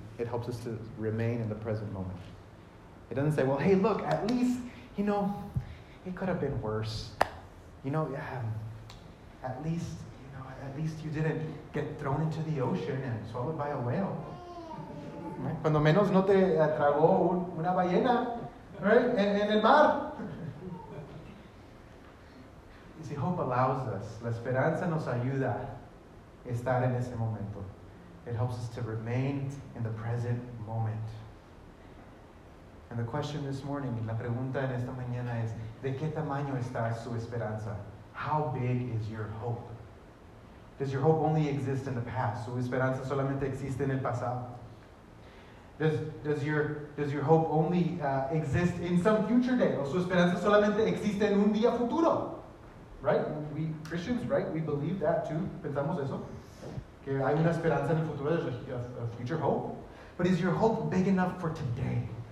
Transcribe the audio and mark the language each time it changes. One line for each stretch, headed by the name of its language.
English: It helps us to remain in the present moment. It doesn't say, well, hey, look, at least, you know, it could have been worse. You know, yeah, at least you didn't get thrown into the ocean and swallowed by a whale.
Spanish: Cuando menos no te tragó una ballena, right, en el mar.
English: You see, hope allows us.
Spanish: La esperanza nos ayuda a estar en ese momento.
English: It helps us to remain in the present moment. And the question this morning,
Spanish: la pregunta en esta mañana es, ¿de qué tamaño está su esperanza?
English: How big is your hope? Does your hope only exist in the past?
Spanish: ¿Su esperanza solamente existe en el pasado?
English: Does your hope only exist in some future day?
Spanish: ¿O su esperanza solamente existe en un día futuro?
English: Right? We Christians, right? We believe that too.
Spanish: ¿Pensamos eso? Que hay una esperanza en el futuro,
English: a future hope. But is your hope big enough for today?